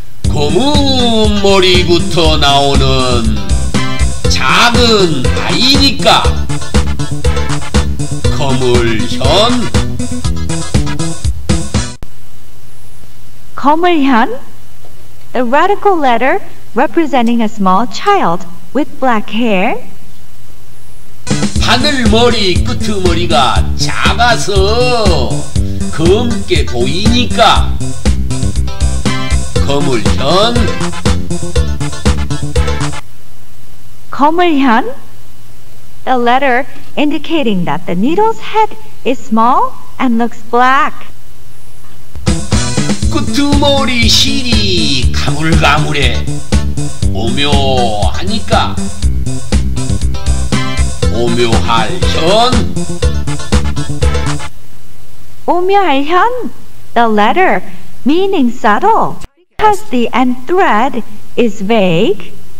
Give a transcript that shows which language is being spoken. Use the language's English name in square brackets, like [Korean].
[Korean] 검은 머리부터 나오는 작은 아이니까 거물현. [English] 거물현, a radical letter representing a small child with black hair. [Korean] 바늘머리 끄트머리가 작아서 검게 보이니까 거물현. [English] 거물현, a letter indicating that the needle's head is small and looks black. [Korean] 끄트머리 실이 가물가물해 오묘하니까 오묘할현. [English] 오묘할현, the letter meaning subtle because the end thread is vague.